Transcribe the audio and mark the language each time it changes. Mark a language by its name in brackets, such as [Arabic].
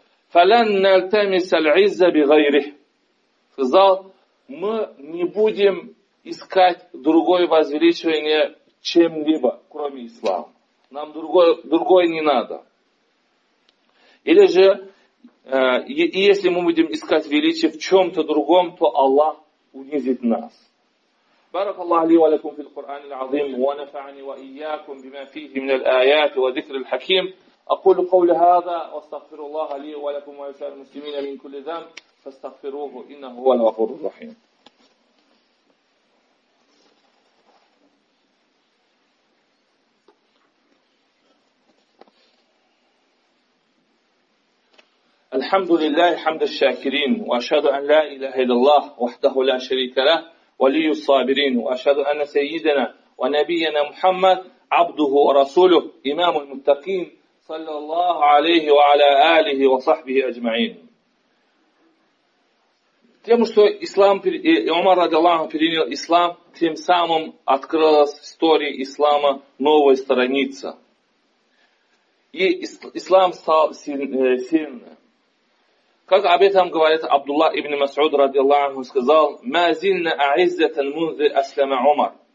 [Arabic] «Фалян нальтамис аль-изза бигайрих». [Russian] Сказал, мы не будем искать другое возвеличивание чем-либо, кроме ислама. Нам другое не надо. Или же, если мы будем искать величие в чем-то другом, то Аллах унизит нас. [Arabic] بارك الله لي ولكم في القرآن العظيم ونفعني وإياكم بما فيه من الآيات وذكر الحكيم أقول قول هذا واستغفر الله لي ولكم ولسائر المسلمين من كل ذنب فاستغفروه إنه هو الغفور الرحيم. الحمد لله حمد الشاكرين وأشهد أن لا إله إلا الله وحده لا شريك له ولي الصابرين وأشهد أن سيدنا ونبينا محمد عبده ورسوله إمام المتقين صلى الله عليه وعلى آله وصحبه أجمعين. [Russian] Тем, что ислам, Умар радиаллаху принял ислам, тем самым открылась в истории ислама новая страница. И ислам стал сильным. Как об этом говорит Абдулла ибн Масуд радиаллаху анху, сказал: [Arabic] «Мазильна аиззатан мунзи аслама Умар».